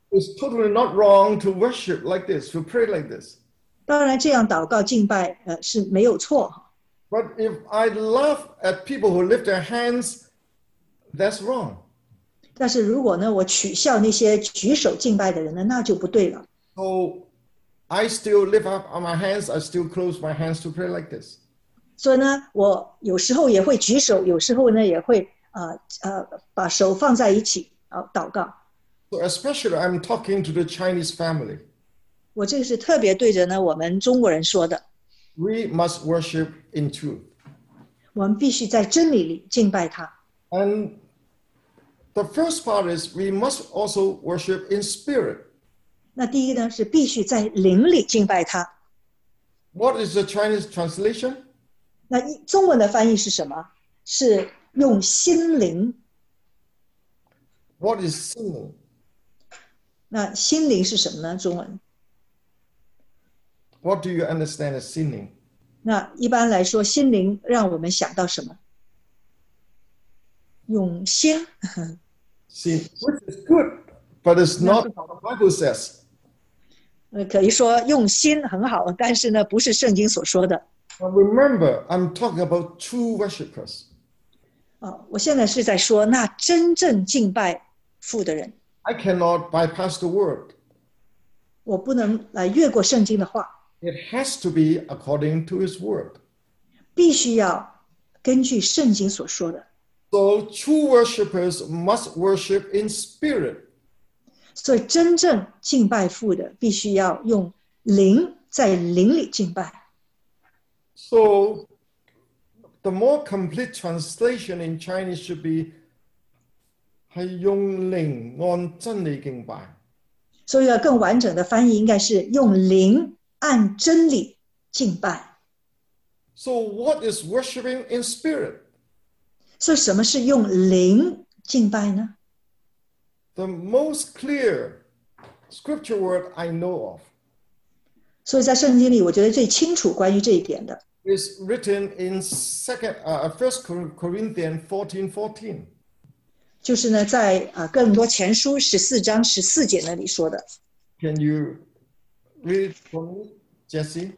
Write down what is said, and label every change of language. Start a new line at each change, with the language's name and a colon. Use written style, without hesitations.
English: It's totally not wrong to worship like this, to pray like this.
Chinese: 当然这样祷告敬拜是没有错。
English: But if I laugh at people who lift their hands, that's wrong.
Chinese: 但是如果呢我取笑那些举手敬拜的人呢那就不对了。
English: So I still lift up my hands, I still close my hands to pray like this.
Chinese: 所以呢我有时候也会举手，有时候呢也会把手放在一起祷告。
English: So especially I'm talking to the Chinese family.
Chinese: 我这个是特别对着呢我们中国人说的。
English: We must worship in truth.
Chinese: 我们必须在真理里敬拜他。
English: And the first part is we must also worship in spirit.
Chinese: 那第一呢是必须在灵里敬拜他。
English: What is the Chinese translation?
Chinese: 那中文的翻译是什么？是用心灵。
English: What is
Chinese: 心灵？那心灵是什么呢？中文。
English: What do you understand as
Chinese: 心灵？那一般来说，心灵让我们想到什么？用心。
English: 心，which is good, but it's not what the Bible says.
Chinese: 可以说用心很好，但是呢，不是圣经所说的。
English: But remember, I'm talking about true worshippers.
Chinese: 我现在是在说那真正敬拜父的人。
English: I cannot bypass the word.
Chinese: 我不能来越过圣经的话。
English: It has to be according to his word.
Chinese: 必须要根据圣经所说的。
English: So true worshippers must worship in spirit.
Chinese: 所以真正敬拜父的必须要用灵在灵里敬拜。
English: So the more complete translation in Chinese should be
Chinese: 是用灵按真理敬拜。所以更完整的翻译应该是用灵按真理敬拜。
English: So what is worshiping in spirit? So
Chinese: 什么是用灵敬拜呢?
English: The most clear scripture word I know of.
Chinese: 所以在圣经里我觉得最清楚关于这一点的。
English: Is written in 1 Corinthians 14:14.
Chinese: 就是呢在哥林多前书14章14节那里说的。
English: Can you read for me, Jesse?